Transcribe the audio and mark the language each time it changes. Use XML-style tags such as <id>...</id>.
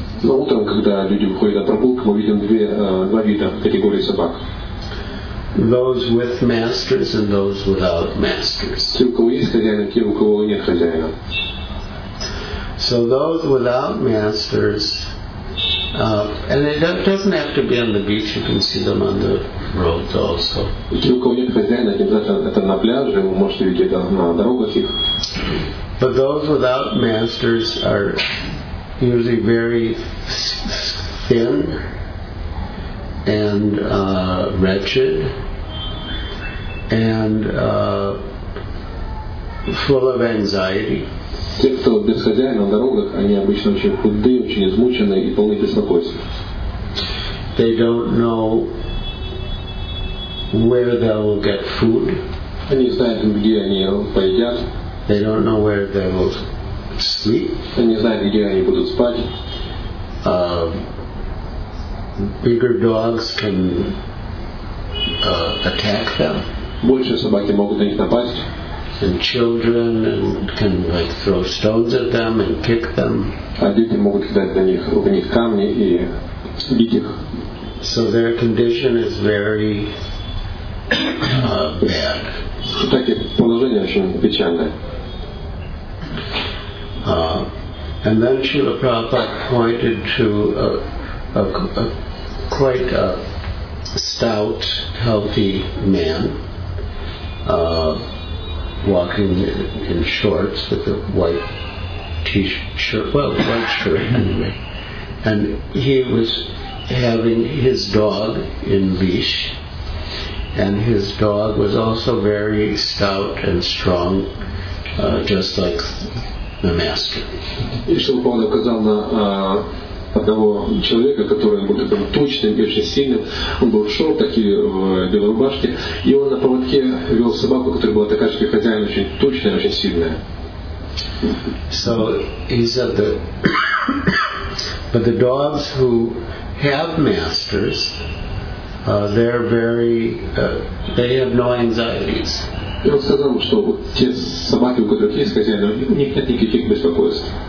<ru>Но утром, когда люди выходят на прогулку, мы видим два вида категории собак.</ru> <en>Those with masters and those without masters.</en> <ru>Те, у кого есть хозяин, те, у кого нет хозяина.</ru> <en>So those without masters, and it doesn't have to be on the beach. You can see them on the roads also.</en> <ru>Те, у кого нет хозяина, это на пляже, вы можете видеть это на дорогах их.</ru> <en>But those without masters are usually very thin and wretched and full of anxiety.</en> <ru>Те, кто без хозяина на дорогах, они обычно очень худые, очень измученные и полны беспокойства.</ru> <en>They don't know where they will get food.</en> <ru>Они знают, где они поедят.</ru> <en>They don't know where they will sleep.</en> <ru>Они знают, где они будут спать.</ru> <en>Bigger dogs can attack them.</en> <ru>Больше собаки могут на них напасть.</ru> <en>And children can like throw stones at them and kick them.</en> <ru>А дети могут кидать на них камни и бить их.</ru> <en>So their condition is very bad.</en> <ru>Так и положение очень печальное.</ru> <en>And then Srila Prabhupada pointed to a quite a stout, healthy man walking in shorts with a white t-shirt, well, white shirt anyway. And he was having his dog in leash, and his dog was also very stout and strong, just like the master.</en> <ru>И чтобы он указал на одного человека, который был таким тучным и очень сильным, он был в шортах и в белой рубашке, и он на поводке вел собаку, которая была такая же, как хозяин, очень тучная, очень сильная.</ru> <en>So he said that, but the dogs who have masters, they're very, they have no anxieties.</en> <ru>И он сказал, что вот те собаки, у которых есть хозяин, у них нет никаких беспокойств.</ru>